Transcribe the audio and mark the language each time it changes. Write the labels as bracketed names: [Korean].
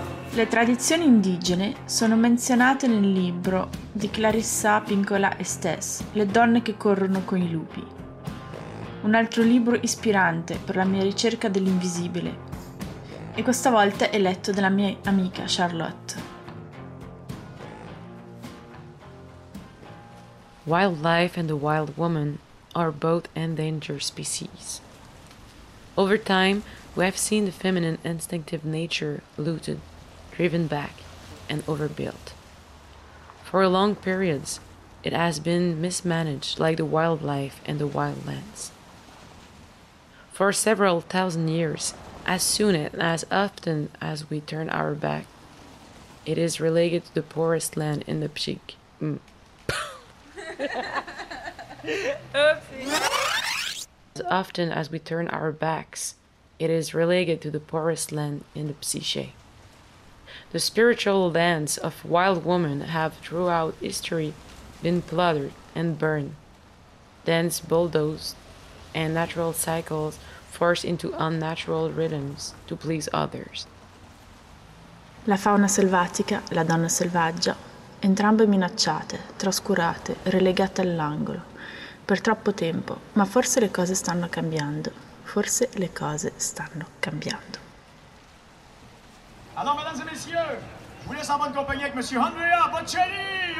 [Italian] Le tradizioni indigene sono menzionate nel libro di Clarissa Pinkola Estes, Le donne che corrono con i lupi, un altro libro ispirante per la mia ricerca dell'invisibile, e questa volta è letto dalla mia amica Charlotte. [English] Wildlife and the wild woman are both endangered species. Over time, we have seen the feminine instinctive nature looted, driven back, and overbuilt. For long periods, it has been mismanaged like the wildlife and the wildlands. For several thousand years, as soon and as often as we turn our back, it is related to the poorest land in the peak. As often as we turn our backs, it is related to the poorest land in the psyche. The spiritual lands of wild women have throughout history been plundered and burned, dense bulldozed, and natural cycles forced into unnatural rhythms to please others. [Italian] La fauna selvatica, la donna selvaggia, entrambe minacciate, trascurate, relegate all'angolo. Per troppo tempo, ma forse le cose stanno cambiando. Forse le cose stanno cambiando. [French] Alors, mesdames et messieurs, je vous laisse en bonne compagnie avec Monsieur Andrea Bocelli.